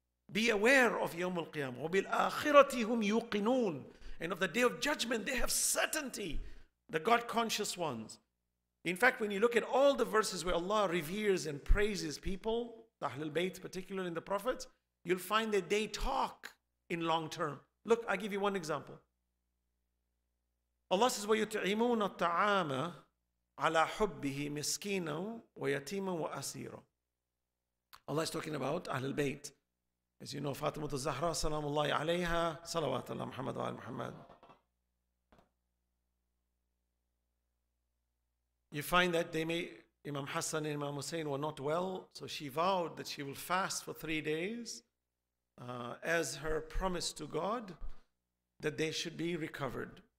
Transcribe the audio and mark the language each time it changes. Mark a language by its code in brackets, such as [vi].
[en] Be aware of Yawm al-Qiyamah, [ar] وَبِالْآخِرَةِ هُمْ يُوقِنُونَ, [en] and of the Day of Judgment, they have certainty, the God-conscious ones. In fact, when you look at all the verses where Allah reveres and praises people, the Ahlulbayt, particularly in the Prophets, you'll find that they talk in long term. Look, I'll give you one example. Allah says, [ar] وَيُتْعِمُونَ الطَّعَامَ عَلَى حُبِّهِ مِسْكِينًا وَيَتِيمًا وَأَسِيرًا. [en] Allah is talking about Ahlulbayt. As you know, Fatimah al-Zahra, salamullahi alayha, salawat Allah, Muhammad wa al-Muhammad. You find that Imam Hassan and Imam Hussein were not well, so she vowed that she will fast for 3 days as her promise to God that they should be recovered.